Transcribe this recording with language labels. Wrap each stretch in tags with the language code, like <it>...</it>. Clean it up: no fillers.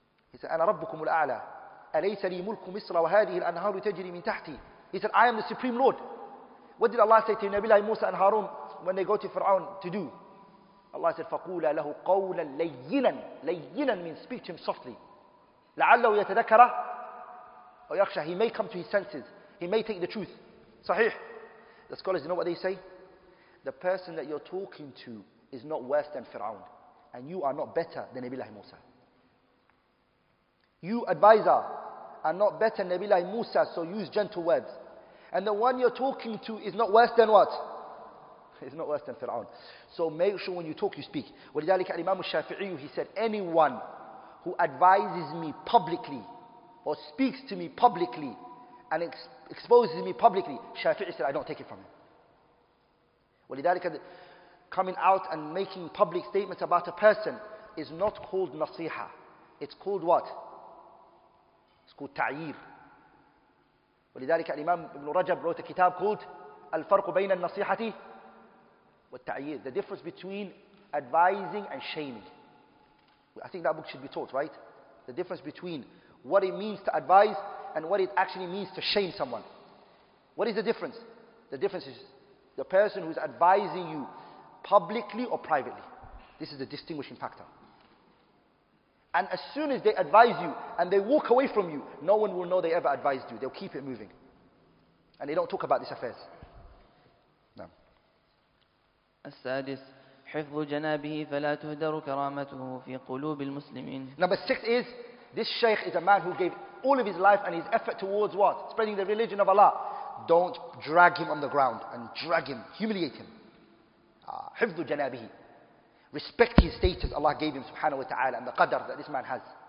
<ar>He said, أَنَا رَبُّكُمُ الْأَعْلَى أَلَيْسَ لِي مُلْكُ مِصْرَ وَهَذِهِ الْأَنْهَارُ تَجْرِي مِنْ تَحْتِي.</ar> <en>He said, I am the Supreme Lord. What did Allah say to Nabi Allah, Musa and Harun when they go to Fir'aun to do?</en> <ar>Allah said, فَقُولَ لَهُ قَوْلًا لَيِّنًا.</ar> <en>لَيِّنًا means speak to him softly.</en> <ar>لَعَلَّهُ يَتَذَكَّرَ أَوْ يَخْشَى.</ar> <en>He may come to his senses. He may take the truth. Sahih. The scholars, you know what they say? The person that you're talking to is not worse than Fir'aun. And you are not better than Nabi Allah Musa. You, advisor, are not better than Nabi Allah Musa, so use gentle words. And the one you're talking to is not worse than what? It's not worse than Fir'aun. So make sure when you talk, you speak.</en> <ar>وَلِذَلِكَ الْإِمَامُ الشَّافِعِيُّ.</ar> <en>He said, anyone who advises me publicly or speaks to me publicly and exposes me publicly, Shafi'i said, I don't take it from him. وَلِذَلِكَ coming out and making public statements about a person is not called nasiha. It's called what? It's called ta'yir. ولذلك الإمام ابن رجب wrote a kitab called الفرق بين النصيحة والتعيير. The difference between advising and shaming. I think that book should be taught, right? The difference between what it means to advise and what it actually means to shame someone. What is the difference? The difference is the person who is advising you publicly or privately. This is the distinguishing factor. And as soon as they advise you and they walk away from you, no one will know they ever advised you. They'll keep it moving. And they don't talk about these affairs. No.</en> <ar>السادس حفظ جنابه فلا تهدر كرامته في قلوب المسلمين.</ar> <en>Number six is, this Shaykh is a man who gave all of his life and his effort towards what? Spreading the religion of Allah. Don't drag him on the ground and drag him, humiliate him.</en> <ar>حفظ جنابه.</ar> <en>Respect his status Allah gave him subhanahu wa ta'ala and the qadr that this man has.</en>